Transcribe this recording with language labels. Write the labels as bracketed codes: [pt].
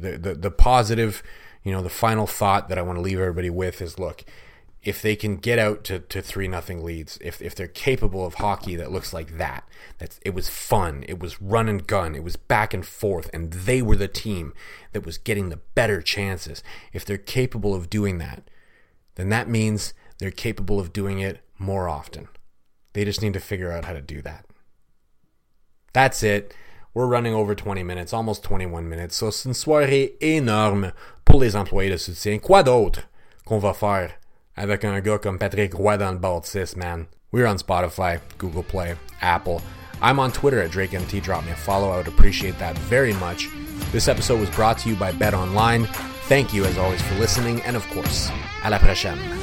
[en] The positive, you know, the final thought that I want to leave everybody with is, look, if they can get out to 3-0 leads, if they're capable of hockey that looks like that, it was fun, it was run and gun, it was back and forth, and they were the team that was getting the better chances. If they're capable of doing that, then that means they're capable of doing it more often. They just need to figure out how to do that. That's it. We're running over 20 minutes, almost 21 minutes. [fr] So c'est une soirée énorme pour les employés de soutien. Quoi d'autre qu'on va faire avec un gars comme Patrick Roy dans le bord, sis, man. [en] We're on Spotify, Google Play, Apple. I'm on Twitter at DrakeMT. Drop me a follow. I would appreciate that very much. This episode was brought to you by BetOnline. Thank you, as always, for listening. And, of course, [fr] à la prochaine.